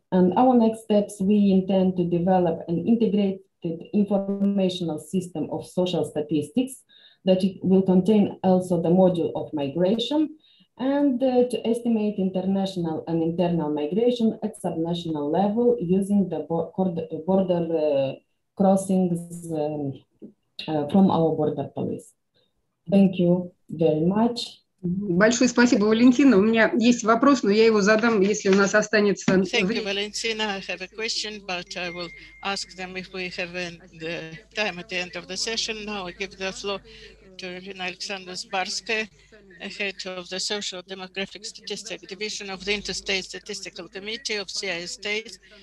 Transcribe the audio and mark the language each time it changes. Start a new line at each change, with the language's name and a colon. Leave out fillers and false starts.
English: And our next steps, we intend to develop an integrated informational system of social statistics that will contain also the module of migration and to estimate international and internal migration at subnational level using the border crossings from our border police. Thank you very much.
Russian: Большое спасибо, Валентина. У меня есть вопрос, но я его задам, если у нас останется время.
English: Thank you, Valentina. I have a question, but I will ask them if we have the time at the end of the session. Now I give the floor to Irina Alexandra Zbarskaya, head of the Social Demographic Statistics Division of the Interstate Statistical Committee of CIS State.